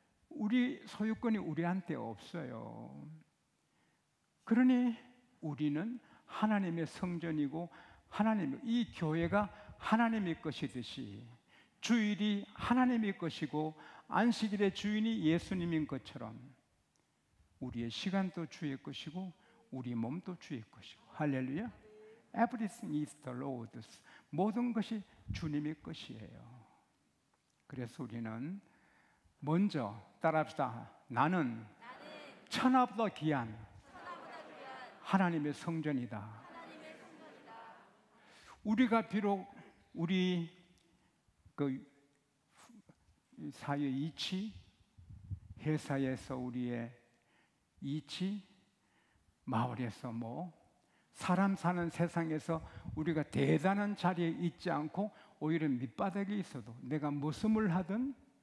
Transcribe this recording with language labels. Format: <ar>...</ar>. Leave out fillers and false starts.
<ko>우리 소유권이 우리한테 없어요. 그러니 우리는 하나님의 성전이고 하나님의, 이 교회가 하나님의 것이듯이 주일이 하나님의 것이고 안식일의 주인이 예수님인 것처럼 우리의 시간도 주의 것이고 우리 몸도 주의 것이고. 할렐루야.</ko> <en>Everything is the Lord's.</en> <ko>모든 것이 주님의 것이에요. 그래서 우리는 먼저, 따라합시다. 나는 천하보다 귀한 하나님의 성전이다. 우리가 비록 우리 그 사회 이치, 회사에서 우리의 이치, 마을에서 뭐 사람 사는 세상에서 우리가 대단한 자리에 있지 않고 오히려 밑바닥에 있어도 내가 무슨을 하든</ko>